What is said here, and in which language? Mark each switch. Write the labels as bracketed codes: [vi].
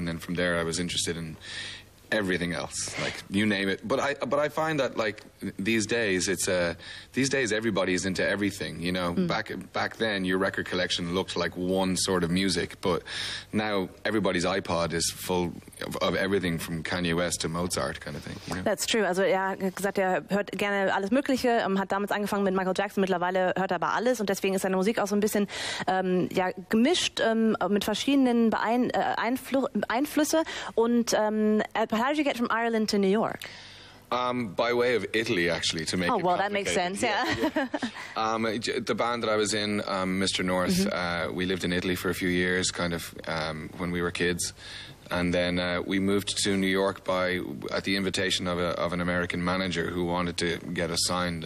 [en] And then from there, I was interested in everything else, like you name it. But I find that, like, these days, everybody's into everything, you know. Mm. Back then, your record collection looked like one sort of music, but now everybody's iPod is full of everything from Kanye West to Mozart, kind of thing. You know? That's true. [de] Also, er hat gesagt, er hört gerne alles Mögliche, hat damals angefangen mit Michael Jackson, mittlerweile hört er aber alles, und deswegen ist seine Musik auch so ein bisschen gemischt mit verschiedenen Einflüsse. [en] Und how did you get from Ireland to New York? By way of Italy, actually, to make it. Oh, well, that makes sense, yeah. The band that I was in, Mr. North, mm-hmm. We lived in Italy for a few years, kind of when we were kids. And then we moved to New York at the invitation of an American manager who wanted to get us signed.